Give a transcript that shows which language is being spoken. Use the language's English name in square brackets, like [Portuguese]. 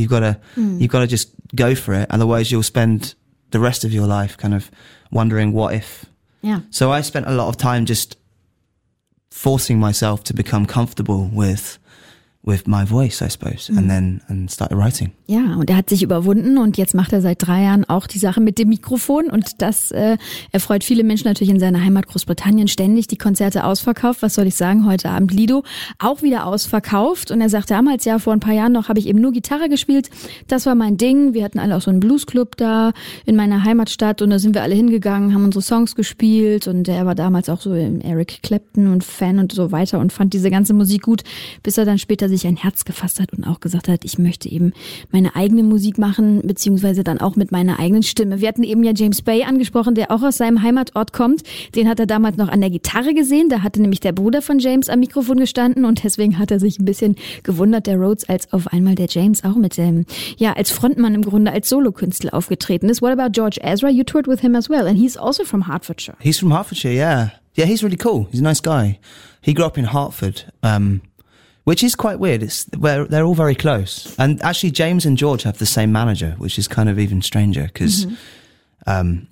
[English] You've got to just go for it. Otherwise, you'll spend the rest of your life kind of wondering what if. Yeah. So I spent a lot of time just forcing myself to become comfortable with my voice, I suppose, and then started writing. [German] Ja, und er hat sich überwunden und jetzt macht er seit 3 Jahren auch die Sache mit dem Mikrofon und das erfreut viele Menschen natürlich in seiner Heimat Großbritannien, ständig die Konzerte ausverkauft. Was soll ich sagen, heute Abend Lido auch wieder ausverkauft und er sagt damals, ja, vor ein paar Jahren noch habe ich eben nur Gitarre gespielt, das war mein Ding, wir hatten alle auch so einen Bluesclub da in meiner Heimatstadt und da sind wir alle hingegangen, haben unsere Songs gespielt und er war damals auch so im Eric Clapton und Fan und so weiter und fand diese ganze Musik gut, bis er dann später sich ein Herz gefasst hat und auch gesagt hat, ich möchte eben meine eigene Musik machen, beziehungsweise dann auch mit meiner eigenen Stimme. Wir hatten eben ja James Bay angesprochen, der auch aus seinem Heimatort kommt. Den hat er damals noch an der Gitarre gesehen. Da hatte nämlich der Bruder von James am Mikrofon gestanden und deswegen hat er sich ein bisschen gewundert, der Rhodes, als auf einmal der James auch mit dem, ja, als Frontmann im Grunde als Solokünstler aufgetreten ist. [English] What about George Ezra? You toured with him as well and he's also from Hertfordshire. He's from Hertfordshire, yeah. Yeah, he's really cool. He's a nice guy. He grew up in Hertford, which is quite weird. It's where they're all very close. And actually, James and George have the same manager, which is kind of even stranger because, mm-hmm.